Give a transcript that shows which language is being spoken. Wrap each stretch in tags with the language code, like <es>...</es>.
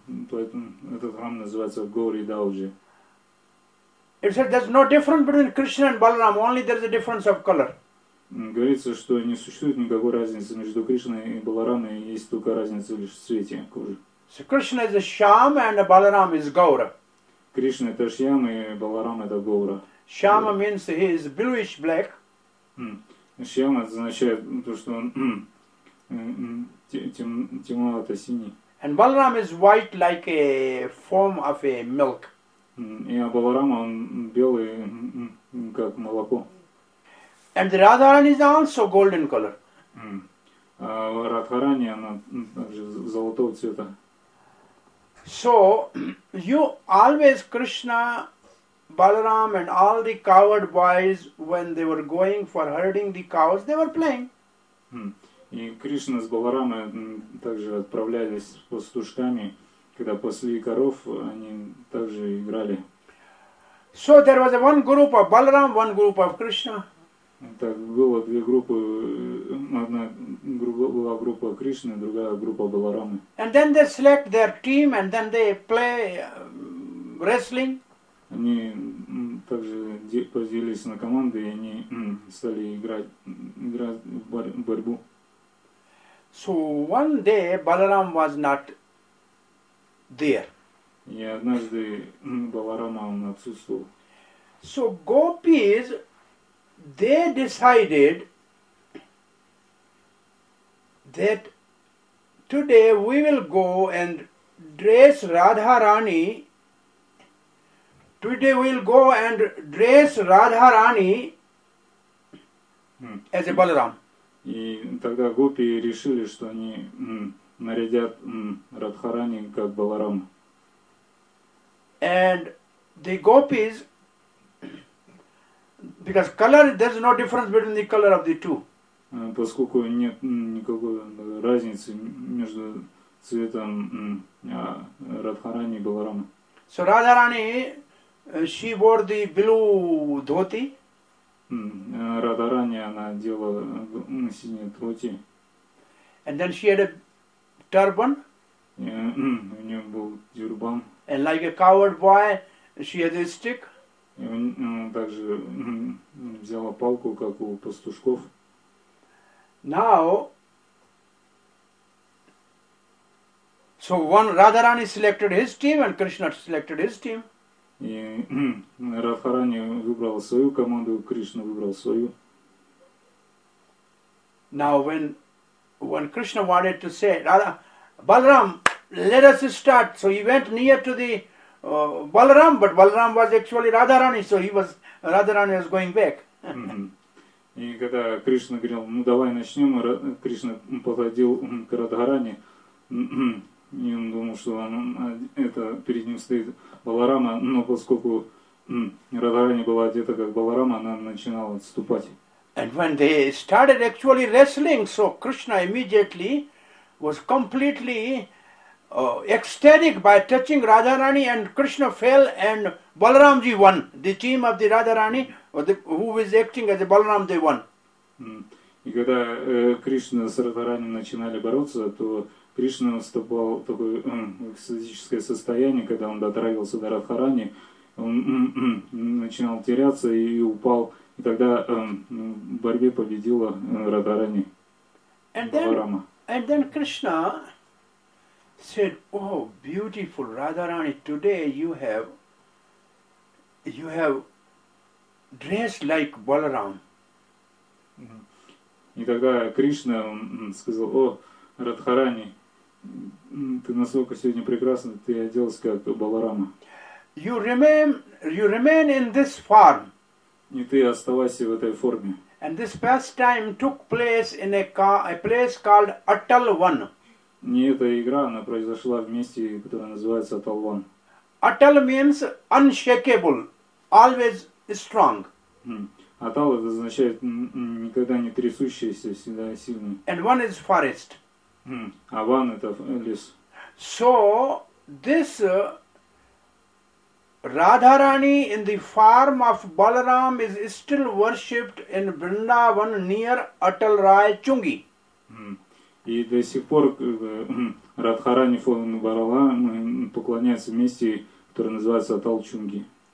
<ru>Поэтому этот храм называется Gore Dauji.</ru> <en>It said there's no difference between Krishna and Balaram, only there's a difference of color.</en> <ru>Говорится, что не существует никакой разницы между Кришной и Баларамой, есть только разница лишь в цвете кожи.</ru> <en>So Krishna is a Shyam and Balaram is Gaura.</en> <ru>Кришна это Шьям и Баларам это Гаура.</ru> <en>Shyama means he is bluish black.</en> <ru>Shyama означает то, что он темновато синий.</ru> <en>And Balaram is white like a foam of a milk.</en> <ru>И Баларам он белый как молоко.</ru> <en>And the Radharani is also golden color.</en> <ru>Радхарани она также золотого цвета.</ru> <en>So you always Krishna, Balaram and all the coward boys, when they were going for herding the cows, they were playing.</en> <ru>И Кришна с Баларамой также отправлялись пастушками, когда пасли коров, они также играли.</ru> <en>So there was one group of Balaram, one group of Krishna.</en> <ru>Так было две группы, одна была группа Кришны, другая группа Баларамы.</ru> <en>And then they select their team and then they play wrestling.</en> <ru>Они также поделились на команды, и они стали играть в борьбу.</ru> <en>So one day Balaram was not there.</en> <ru>И однажды Баларама отсутствовал.</ru> <en>So gopis, they decided that today we will go and dress Radharani. Today we'll go and dress Radharani as a Balaram.</en> <ru>И тогда гопи решили, что они нарядят Радхарани как Баларама.</ru> <en>And the gopis, because color, there's no difference between the color of the two.</en> <ru>Поскольку нет никакой разницы между цветом Радхарани и Баларама.</ru> <en>So Radharani, she wore the blue dhoti.</en> <ru>Радхарани, она одела синюю дхоти.</ru> <en>And then she had a turban.</en> <ru>У нее был тюрбан.</ru> <en>And like a coward boy, she had a stick.</en> <ru>И он также взяла палку, как у пастушков.</ru> <en>Now, so one Radharani selected his team and Krishna selected his team.</en> <ru>И Радхарани выбрал свою команду, Кришна выбрал свою.</ru> <en>Now, when Krishna wanted to say, Radha, Balaram, let us start. So he went near to the Balaram, but Balaram was actually Radharani, so Radharani was going back.</en> <ru>И когда Кришна говорил, ну давай начнем, Кришна подходил к Радхарани, и он думал, что это перед ним стоит Баларама, но поскольку Радхарани была одета как Баларама, она начинала отступать.</ru> <en>And when they started actually wrestling, so Krishna immediately was completely ecstatic by touching Radharani, and Krishna fell, and Balaramji won. The team of the Radharani, who was acting as a Balaram, they won.</en> <ru>И когда Кришна с Радхарани начинали бороться, то Кришна вступал в такое экстатическое состояние, когда он дотрагивался до Радхарани, он начинал теряться и упал, и тогда в борьбе победила Радхарани.</ru> <en>And then Krishna said, oh, beautiful Radharani, today you have dressed like Balaram.</en> <ru>И тогда Кришна сказал, о, Радхарани, ты настолько сегодня прекрасна, ты оделась как Баларама.</ru> <en>You remain in this form.</en> <ru>И ты оставайся в этой форме.</ru> <en>And this pastime took place in a place called Atalvan.</en> <ru>Не эта игра, она произошла в месте, которое называется Atalvan.</ru> <en>Atal means unshakable, always strong.</en> <ru>Atal это означает никогда не трясущийся, всегда сильный.</ru> <en>And one is forest.</en> <ru>А ван это лес.</ru> <en>So this Radharani in the form of Balaram is still worshipped in Vrindavan near Atal Rai Chungi.</en> <ru>И до сих пор Радхарани фон Барала поклоняется месте, которое называется Атал Чунги.</ru>